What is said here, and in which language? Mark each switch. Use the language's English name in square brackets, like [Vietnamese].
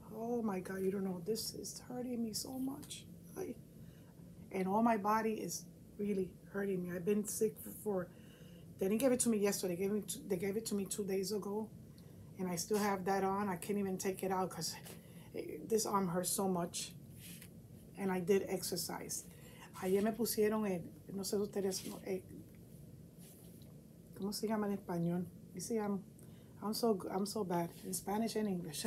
[English] Oh my God, you don't know, this is hurting me so much. And all my body is really hurting me. I've been sick for, they didn't give it to me yesterday. They gave it to me 2 days ago. And I still have that on. I can't even take it out because this arm hurts so much. And I did exercise. [Spanish] Ayer me pusieron el, no sé si ustedes, ¿cómo se llama en español? [English] You see, I'm so bad in Spanish and English.